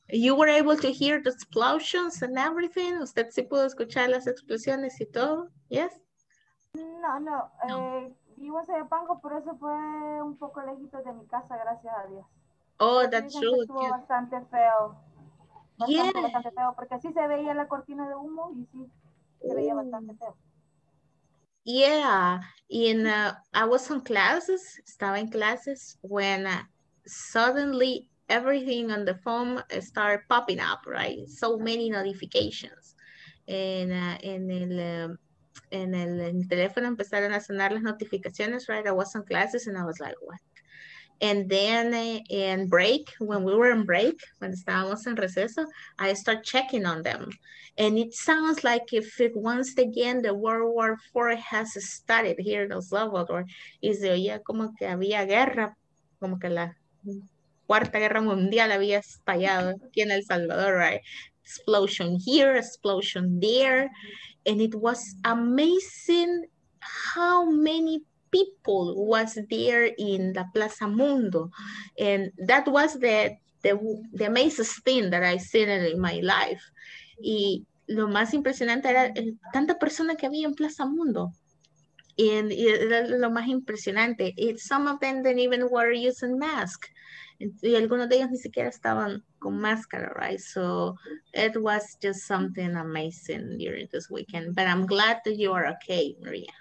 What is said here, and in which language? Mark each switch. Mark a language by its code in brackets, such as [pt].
[en] You were able to hear the explosions and everything? [es] ¿Usted sí pudo escuchar las explosiones y todo? [en] Yes? No. [es] Vivo en Soyapango, pero eso fue un poco lejito de mi casa, gracias a Dios. [en] Oh, that's true. [es] Estuvo bastante feo. Bastante feo, porque sí se veía la cortina de humo y sí, se veía bastante feo. [en] Yeah, in I was in classes, [es] estaba en clases, [en] when suddenly everything on the phone started popping up, right? So many notifications. [es] En el teléfono empezaron a sonar las notificaciones, [en] right? I was in classes and I was like, what? And then in break, when we were in break, when [es] estábamos en receso, [en] I start checking on them. And it sounds like if it, once again the World War IV has started here in El Salvador, [es] y se oía como que había guerra, como que la Cuarta Guerra Mundial había estallado aquí en El Salvador, right? [en] Explosion here, explosion there. And it was amazing how many people was there in the Plaza Mundo, and that was the amazing thing that I seen in my life. [es] Y lo más impresionante era tanta persona que había en Plaza Mundo, y lo más impresionante, [en] it, some of them didn't even wear using masks, [es] y algunos de ellos ni siquiera estaban con máscara, right? [en] So it was just something amazing during this weekend, but I'm glad that you are okay, Maria.